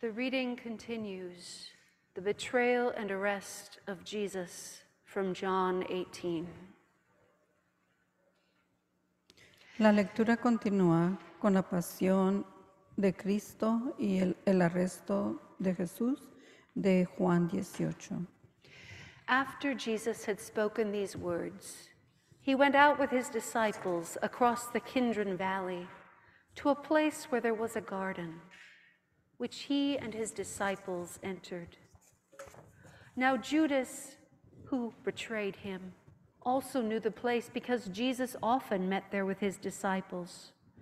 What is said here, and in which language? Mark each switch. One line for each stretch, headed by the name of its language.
English: Continues the betrayal and arrest of Jesus from John 18.
Spanish: La lectura continúa con la pasión de Cristo y el arresto de Jesús de Juan 18.
English: After Jesus had spoken these words, he went out with his disciples across the Kidron Valley to a place where there was a garden, which he and his disciples entered. Now Judas, who betrayed him, also knew the place because Jesus often met there with his disciples.